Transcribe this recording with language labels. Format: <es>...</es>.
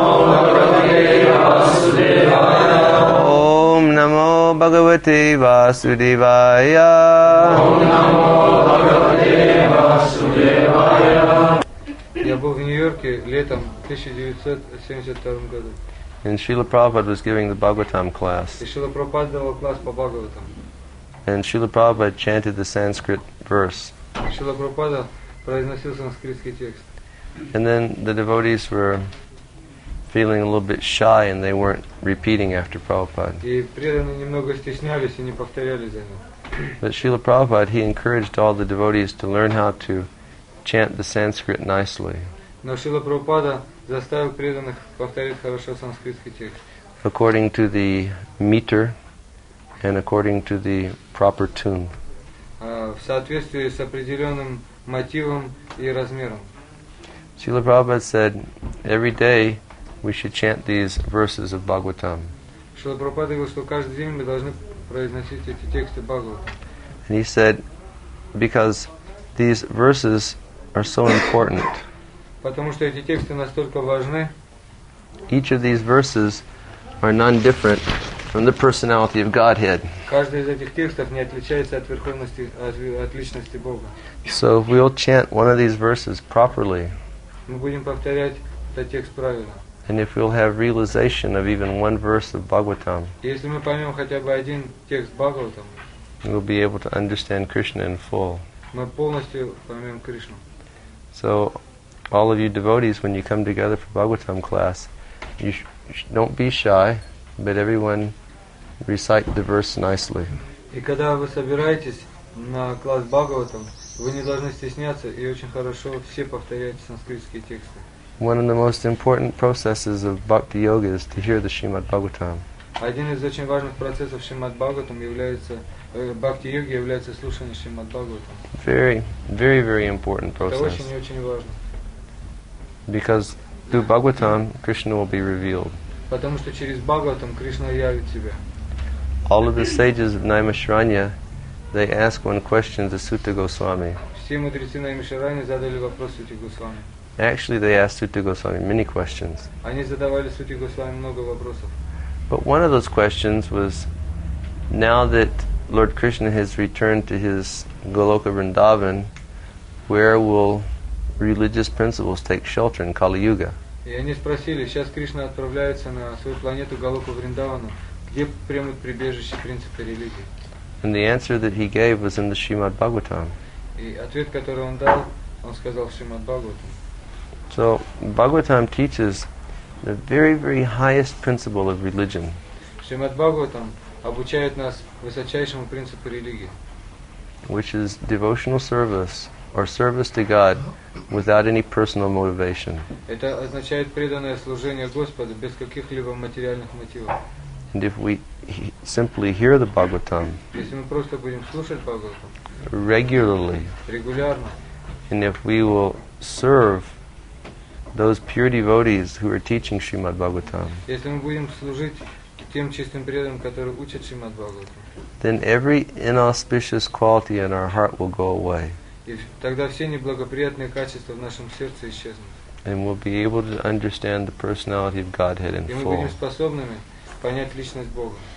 <sa>Ом намо Бхагавате Васудевая. Namo Bhagavate Vasudevaya. Om Namo Bhagavate Vasudevaya.</sa> <ru>Я был в Нью-Йорке летом 1972 году.</ru> <en>And Srila Prabhupada was giving the Bhagavatam class.</en> <ru>И Шрила Прабхупада давал класс по Бхагаватам.</ru> <en>And Srila Prabhupada chanted the Sanskrit verse.</en> <ru>Шрила Прабхупада произносил санскритский текст.</ru> <en>And then the devotees were feeling a little bit shy and they weren't repeating after Prabhupada. But Srila Prabhupada, he encouraged all the devotees to learn how to chant the Sanskrit nicely.</en> <ru>Но Шрила Прабхупада заставил преданных повторить хорошо санскритский текст.</ru> <en>According to the meter and according to the proper tune.</en> <ru>В соответствии с определенным мотивом и размером.</ru> <en>Шрила Прабхупада said, every day we should chant these verses of Bhagavatam.</en> <ru>Шрила Прабхупада говорил, что каждый день мы должны произносить эти тексты Бхагаватам.</ru> <en>And he said, because these verses are so important.</en> <ru>Потому что эти тексты настолько важны.</ru> <en>Each of these verses are none different from the personality of Godhead.</en> <ru>Каждый из этих текстов не отличается от верховности, от личности Бога.</ru> <en>So if we'll chant one of these verses properly.</en> <ru>Мы будем повторять этот текст правильно.</ru> <en>And if we'll have realization of even one verse of Bhagavatam.</en> <ru>Если мы поймем хотя бы один текст Бхагаватам.</ru> <en>We'll be able to understand Krishna in full.</en> <ru>Мы полностью поймем Кришну.</ru> <en>So all of you devotees, when you come together for Bhagavatam class, you don't be shy, but everyone recite the verse nicely.</en> <ru>И когда вы собираетесь на класс Бхагаватам, вы не должны стесняться и очень хорошо все повторяете санскритские тексты.</ru> <en>One of the most important processes of Bhakti Yoga is to hear the Srimad Bhagavatam.</en> <ru>Один из очень важных процессов Шримад Бхагаватам является Бхакти Йоги является слушание Шримад Бхагаватам.</ru> <en>Very, very, very important process.</en> <ru>Это очень и очень важно.</ru> <en>Because through Bhagavatam, Krishna will be revealed.</en> <ru>Потому что через Бхагаватам Кришна явит себя.</ru> <en>All of the sages of Наймашранья, they ask one question to Сутта Госвами.</en> <ru>Все мудрецы Наймашранья задали вопрос Сутте Госвами.</ru> <en>Actually, they asked Сутта Госвами many questions.</en> <ru>Они задавали Сутте Госвами много вопросов.</ru> <en>But one of those questions was, now that Lord Krishna has returned to his Goloka Vrindavan, where will religious principles take shelter in Kali Yuga?</en> <ru>И они спросили, сейчас Кришна отправляется на свою планету Голоку Вриндавану, где примут прибежище принципы религии?</ru> <en>And the answer that he gave was in the Srimad Bhagavatam.</en> <ru>И ответ, который он дал, он сказал в Srimad Bhagavatam.</ru> <en>So Bhagavatam teaches the very, very highest principle of religion.</en> <ru>Шримад Бхагаватам обучает нас высочайшему принципу религии.</ru> <en>Which is devotional service, or service to God, without any personal motivation.</en> <ru>Это означает преданное служение Господу без каких-либо материальных мотивов.</ru> <en>And if we simply hear the Bhagavatam,</en> <ru>если мы просто будем слушать Бхагаватам,</ru> <en>regularly,</en> <ru>регулярно,</ru> <en>and if we will serve those pure devotees who are teaching Srimad Bhagavatam.</en> <ru>Если мы будем служить тем чистым преданным, которые учат Шримад Бхагаватам.</ru> <en>Then every inauspicious quality in our heart will go away.</en> <ru>И тогда все неблагоприятные качества в нашем сердце исчезнут.</ru> <en>And we'll be able to understand the personality of Godhead in full.</en> <ru>И мы будем способными понять личность Бога.</ru>